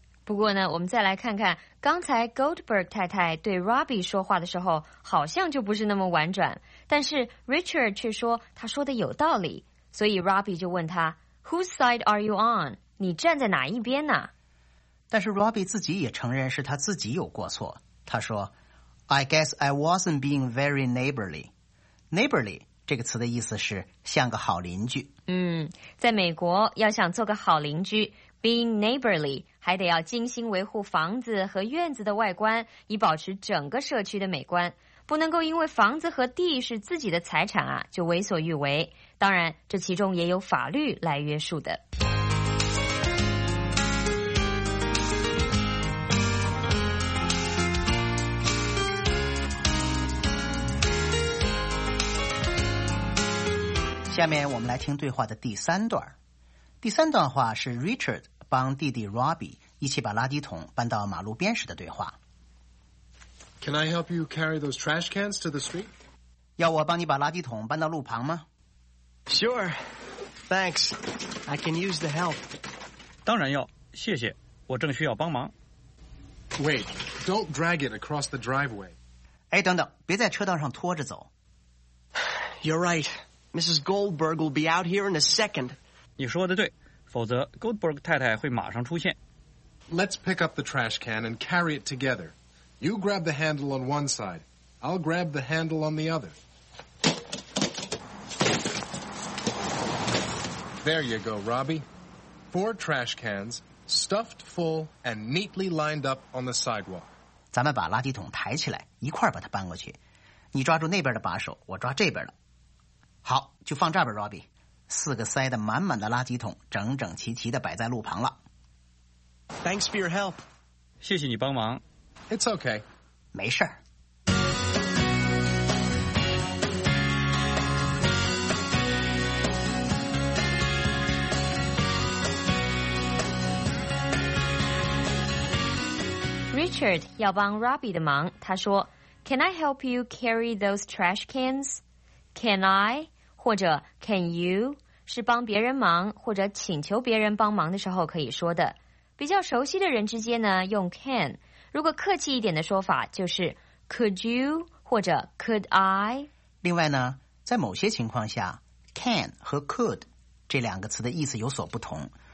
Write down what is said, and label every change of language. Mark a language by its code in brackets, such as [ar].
[zh] 不过呢，我们再来看看刚才 Goldberg 太太对 Robbie 说话的时候好像就不是那么婉转，但是 Richard 却说他说的有道理，所以 Robbie 就问他 [en] Whose side are you on？ [zh] 你站在哪一边呢？但是 Robbie 自己也承认是他自己有过错。他说 [en] I guess I wasn't being very neighborly. [zh] Neighborly 这个词的意思是像个好邻居。嗯，在美国要想做个好邻居， being neighborly 还得要精心维护房子和院子的外观，以保持整个社区的美观。不能够因为房子和地是自己的财产啊，就为所欲为。当然，这其中也有法律来约束的。下面我们来听对话的第三段。第三段话是 Richard 帮弟弟 Robbie 一起把垃圾桶搬到马路边时的对话。 [en] Can I help you carry those trash cans to the street? [zh] 要我帮你把垃圾桶搬到路旁吗？ [en] Sure. Thanks. I can use the help. [zh] 当然要，谢谢，我正需要帮忙。 [en] Wait, don't drag it across the driveway. [zh] 哎，等等，别在车道上拖着走。 [en] You're right. Mrs. Goldberg will be out here in a second. [zh] 你说的对，否则 Goldberg 太太会马上出现。 [en] Let's pick up the trash can and carry it together. You grab the handle on one side. I'll grab the handle on the other. There you go, Robbie. 4 trash cans, stuffed full and neatly lined up on the sidewalk. [zh] 咱们把垃圾桶抬起来，一块把它搬过去。你抓住那边的把手，我抓这边的。好，就放这边 Robbie， 四个塞得满满的垃圾桶整整齐齐地摆在路旁了。 [en] Thanks for your help. [zh] 谢谢你帮忙。 [en] It's okay. [zh] 没事儿。 Richard 要帮 Robbie 的忙，他说 [en] Can I help you carry those trash cans? Can I? [zh] 或者 can you 是帮别人忙或者请求别人帮忙的时候可以说的。比较熟悉的人之间呢，用 can。如果客气一点的说法就是 could you 或者 could I。另外呢，在某些情况下 can 和 could 这两个词的意思有所不同。